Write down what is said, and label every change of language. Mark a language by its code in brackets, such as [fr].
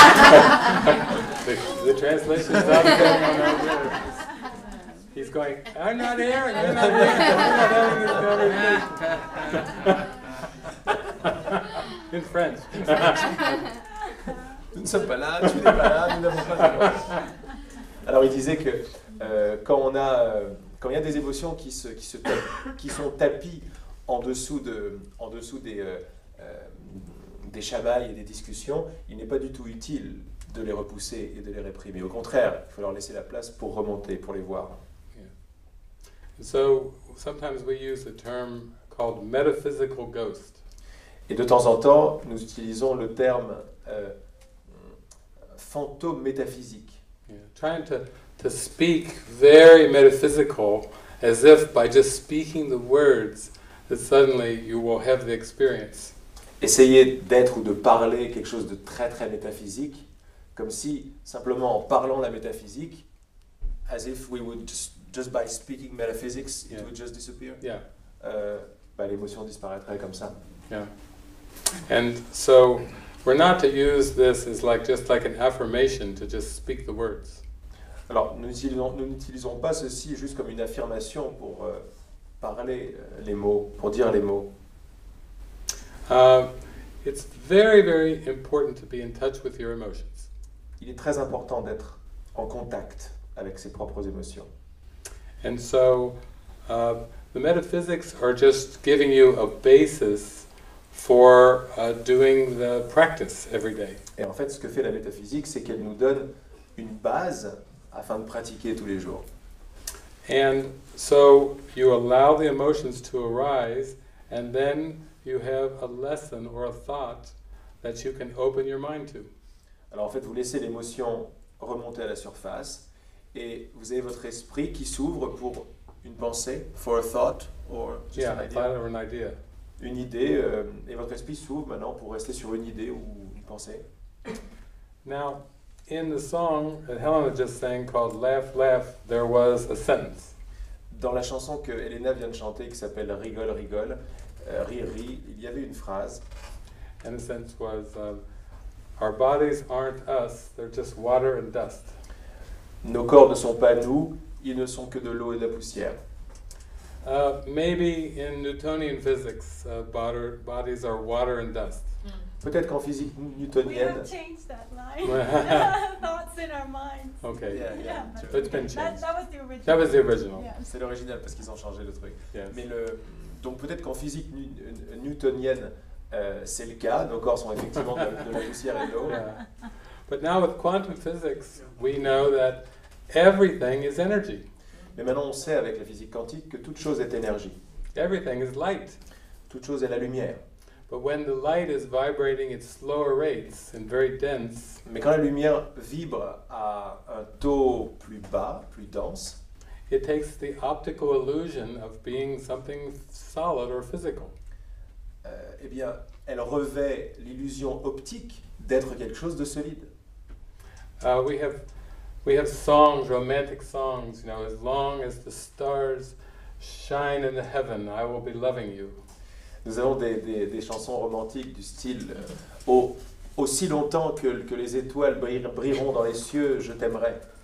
[en] The translation is not going on our ears. He's going, I'm not here, and you're not here, and we're not having this conversation. In French. [fr] Nous ne sommes pas là, tu n'es pas là, nous n'avons pas de voix. Alors il disait que quand on a. Quand il y a des émotions qui sont tapies en dessous des chamailles et des discussions, il n'est pas du tout utile de les repousser et de les réprimer. Au contraire, il faut leur laisser la place pour remonter, pour les voir. [en] Yeah. So sometimes we use a term called metaphysical ghost. [fr] Et de temps en temps, nous utilisons le terme fantôme métaphysique. [en] Yeah. Trying to speak very metaphysical, as if by just speaking the words that suddenly you will have the experience. [fr] Essayer d'être ou de parler quelque chose de très très métaphysique, comme si simplement en parlant la métaphysique, [en] as if we would just by speaking metaphysics, it yeah. would just disappear. Yeah. [fr] L'émotion disparaîtrait comme ça. [en] Yeah. And so we're not to use this as like just like an affirmation to just speak the words. [fr] Alors, nous n'utilisons pas ceci juste comme une affirmation pour parler les mots, pour dire les mots. [en] It's very, very important to be in touch with your emotions. [fr] Il est très important d'être en contact avec ses propres émotions. [en] And so, the metaphysics are just giving you a basis for doing the practice every day. [fr] Et en fait, ce que fait la métaphysique, c'est qu'elle nous donne une base afin de pratiquer tous les jours. [en] And so you allow the emotions to arise and then you have a lesson or a thought that you can open your mind to. [fr] Alors en fait, vous laissez l'émotion remonter à la surface et vous avez votre esprit qui s'ouvre pour une pensée, [en] for a thought or just an idea. Yeah, a thought or an idea. [fr] Une idée et votre esprit s'ouvre maintenant pour rester sur une idée ou une pensée. [en] Now in the song that Helena just sang called Laugh Laugh, there was a sentence. [fr] Dans la chanson que Helena vient de chanter qui s'appelle Rigole Rigole, Rire Rire, il y avait une phrase. [en] And the sentence was, our bodies aren't us, they're just water and dust. [fr] Nos corps ne sont pas nous, ils ne sont que de l'eau et de la poussière. [en] Maybe in Newtonian physics, bodies are water and dust. [fr] Peut-être qu'en physique newtonienne. [en] We have changed that line. Thoughts in our minds. Okay. Yeah. It's been changed. That was the original. That was the original. Yeah. [fr] C'est l'original parce qu'ils ont changé le truc. [en] Yes. [fr] Mais le donc peut-être qu'en physique newtonienne, c'est le cas. Nos corps sont effectivement de la poussière et de l'eau. [en] Yeah. But now with quantum physics, we know that everything is energy. [fr] Mais maintenant on sait avec la physique quantique que toute chose est énergie. [en] Everything is light. [fr] Toute chose est la lumière. [en] But when the light is vibrating at slower rates and very dense, [fr] mais quand la lumière vibre à un taux plus bas, plus dense, [en] it takes the optical illusion of being something solid or physical. [fr] Eh bien, elle revêt l'illusion optique d'être quelque chose de solide. [en] We have songs, romantic songs, you know, as long as the stars shine in the heaven, I will be loving you. [fr] Nous avons des chansons romantiques du style aussi longtemps que les étoiles brilleront dans les cieux, je t'aimerai.